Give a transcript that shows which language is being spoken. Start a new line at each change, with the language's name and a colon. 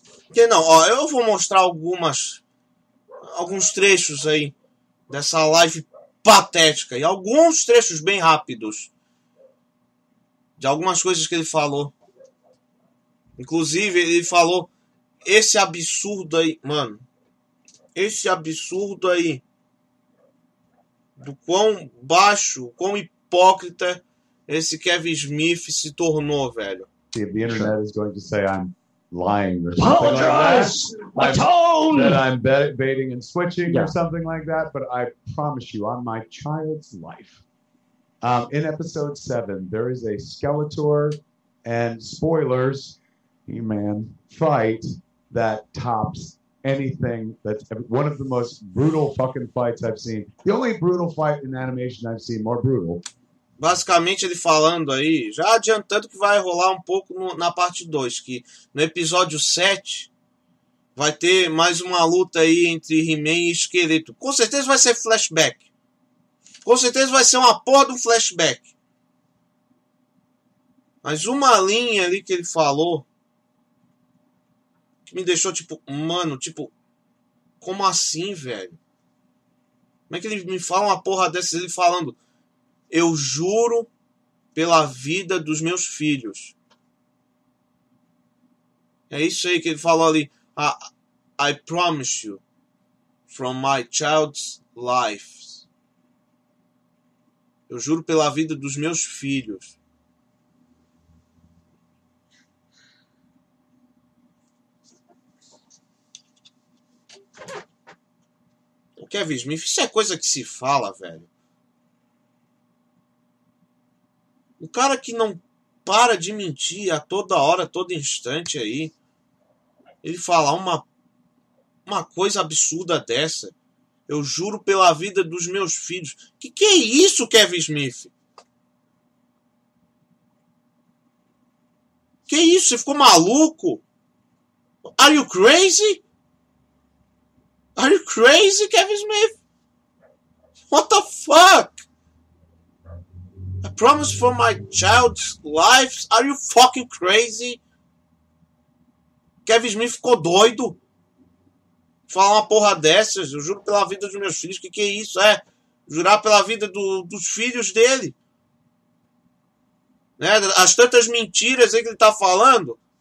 Portuguese: Que não, ó, eu vou mostrar alguns trechos aí dessa live patética. E alguns trechos bem rápidos de algumas coisas que ele falou. Inclusive, ele falou esse absurdo aí, mano. Esse absurdo aí. Do quão baixo, quão hipócrita esse Kevin Smith se tornou, velho.
English: The internet is going to say I'm lying or something. Apologize! My tone! That I'm baiting and switching or something like that. But I promise you, on my child's life, in episode 7, there is a Skeletor and spoilers, He-Man, fight that tops anything. That's one of the most brutal fucking fights I've seen. The only brutal fight in animation I've seen more brutal.
Portuguese: Basicamente, ele falando aí, já adiantando que vai rolar um pouco no, na parte 2, que no episódio 7 vai ter mais uma luta aí entre He-Man e Esqueleto. Com certeza vai ser flashback. Com certeza vai ser uma porra do flashback. Mas uma linha ali que ele falou me deixou tipo, mano, tipo, como assim, velho? Como é que ele me fala uma porra dessa? Ele falando, eu juro pela vida dos meus filhos. É isso aí que ele falou ali.
English: I promise you, from my child's life.
Portuguese: Eu juro pela vida dos meus filhos. Kevin Smith, isso é coisa que se fala, velho. O cara que não para de mentir a toda hora, a todo instante aí, ele fala uma coisa absurda dessa. Eu juro pela vida dos meus filhos. Que é isso, Kevin Smith? Que é isso? Você ficou maluco?
English: Are you crazy? Are you crazy, Kevin Smith? What the fuck? I promise for my child's life. Are you fucking crazy?
Portuguese: Kevin Smith ficou doido. Falar uma porra dessas. Eu juro pela vida dos meus filhos. Que é isso? É jurar pela vida dos filhos dele? Né? As tantas mentiras aí que ele tá falando.